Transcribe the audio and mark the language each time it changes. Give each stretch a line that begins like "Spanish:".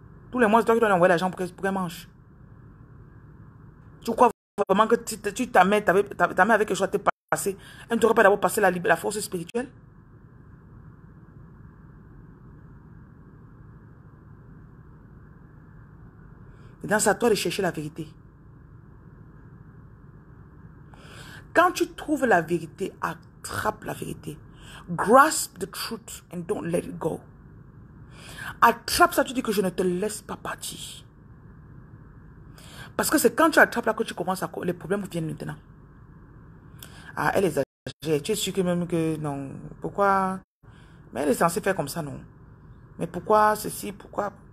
French: Tous les mois, c'est toi qui dois lui envoyer l'argent pour qu'elle mange. Tu crois vraiment que ta mère avait quelque chose à te passer, elle ne t'aurait pas d'abord passé la force spirituelle? Et dans ça, toi, de chercher la vérité. Quand tu trouves la vérité, attrape la vérité.
English: Grasp the truth and don't let it go.
French: Attrape ça, tu dis que je ne te laisse pas partir. Parce que c'est quand tu attrapes là que tu commences à... Les problèmes viennent maintenant. Ah, elle est âgée. Tu es sûr que même que... Non, pourquoi... Mais elle est censée faire comme ça, non. Mais pourquoi ceci, pourquoi...